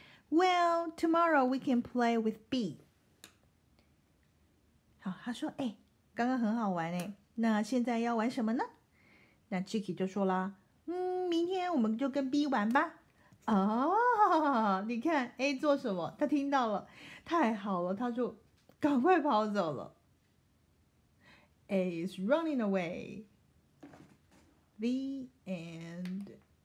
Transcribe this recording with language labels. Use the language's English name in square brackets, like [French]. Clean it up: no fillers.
[English] Well, tomorrow we can play with B. [Chinese] 好，他说，哎，刚刚很好玩哎，那现在要玩什么呢？那 Chicky 就说了，明天我们就跟 B 玩吧。哦，你看 A 做什么？他听到了，太好了，他就赶快跑走了。 [English] A is running away. The end.